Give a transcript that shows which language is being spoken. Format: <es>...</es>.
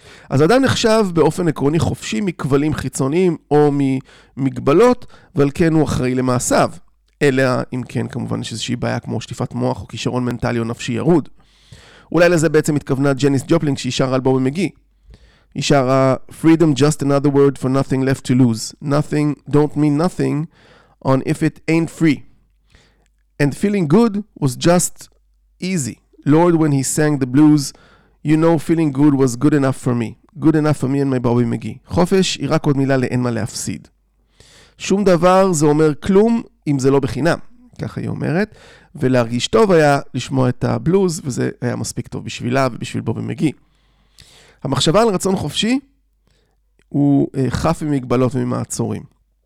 <he>אז אדם נחשב באופן עקרוני חופשי מכבלים חיצוניים או ממגבלות, ועל כן הוא אחראי למעשיו. אלא אם כן כמובן יש איזושהי בעיה כמו שטיפת מוח או כישרון מנטלי או נפשי ירוד. אולי לזה בעצם התכוונה ג'ניס ג'ופלין כשהיא שרה אלבום במגי. היא שרה</he> <en>Freedom just another word for nothing left to lose. Nothing don't mean nothing on if it ain't free. And feeling good was just easy. Lord when he sang the blues, you know feeling good was good enough for me. Good enough for me and my Bobby McGee.</en> <he>חופש היא רק עוד מילה לאין מה להפסיד. שום דבר זה אומר כלום אם זה לא בחינם, ככה היא אומרת, ולהרגיש טוב היה לשמוע את הבלוז, וזה היה מספיק טוב בשבילה ובשביל בובי מגי. המחשבה על רצון חופשי הוא חף ממגבלות וממעצורים.</he>